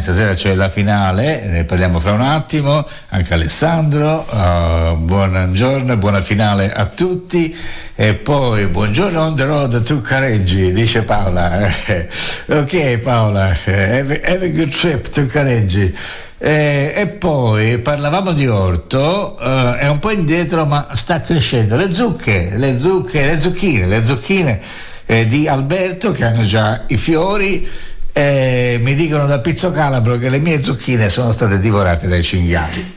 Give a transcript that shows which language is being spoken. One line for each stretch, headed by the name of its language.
Italian: Stasera c'è la finale, ne parliamo fra un attimo. Anche Alessandro, buongiorno, buona finale a tutti. E poi buongiorno
English: on the road to Careggi,
Italian: dice Paola.
English: Ok Paola, have a good trip to Careggi.
Italian: E poi parlavamo di orto, è un po' indietro ma sta crescendo le zucchine di Alberto, che hanno già i fiori. Mi dicono da Pizzo Calabro che le mie zucchine sono state divorate dai cinghiali.